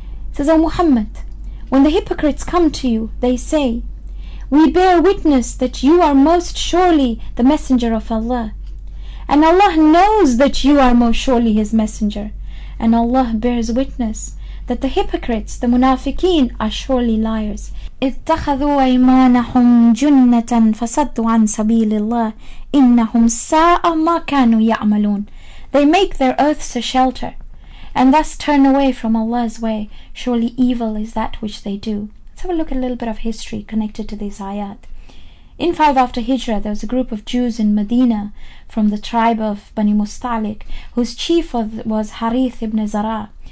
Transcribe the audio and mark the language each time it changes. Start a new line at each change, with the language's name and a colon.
English: It says, O Muhammad, when the hypocrites come to you, they say, "We bear witness that you are most surely the messenger of Allah. And Allah knows that you are most surely his messenger. And Allah bears witness that the hypocrites, the munafiqeen, are surely liars."
Arabic: اتخذوا أيمانهم جنة فصدوا عن سبيل الله إنهم ساء ما كانوا يعملون.
English: They make their oaths a shelter and thus turn away from Allah's way. Surely evil is that which they do. Let's have a look at a little bit of history connected to this ayat. In 5 after Hijra, there was a group of Jews in Medina from the tribe of Bani Musta'liq, whose chief was Harith ibn Zara'.